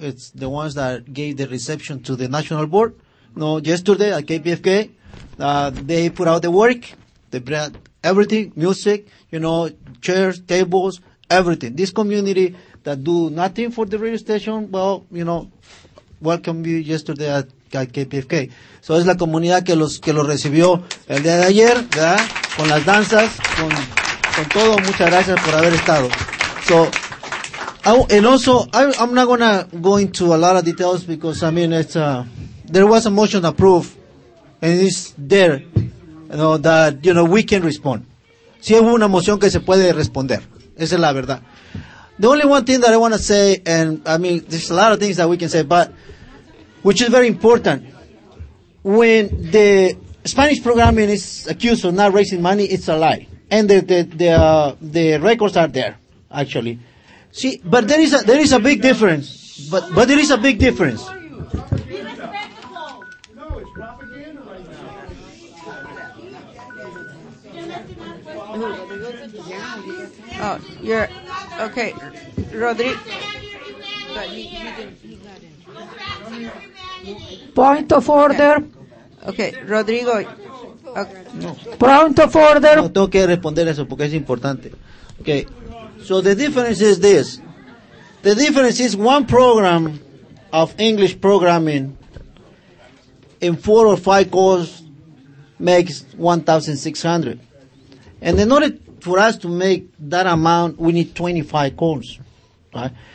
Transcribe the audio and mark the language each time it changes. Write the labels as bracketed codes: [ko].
[en] It's the ones that gave the reception to the national board. No, yesterday at KPFK, they put out the work. They brought everything, music, you know, chairs, tables, everything. This community that do nothing for the radio station, well, you know, welcomed you yesterday at KPFK. [es] So es la comunidad que los recibió el día de ayer, ¿verdad? Con las danzas, con todo. Muchas gracias por haber estado. [en] So, and also, I'm not going to go into a lot of details because, I mean, it's there was a motion approved and it's there. No, that, you know, we can respond. [es] Si hay una moción que se puede responder. Esa es la verdad. [en] The only one thing that I want to say, and I mean, there's a lot of things that we can say, but which is very important. When the Spanish programming is accused of not raising money, it's a lie. And the records are there, actually. See, but there is a big difference. But there is a big difference. Oh, you're okay, Rodrigo. Point of order. Okay, Rodrigo. Okay. Point of order. [es] No, tengo que responder eso porque es importante. [en] Okay. So the difference is this. The difference is one program of English programming in four or five calls makes 1,600, and in order for us to make that amount, we need 25 calls, right?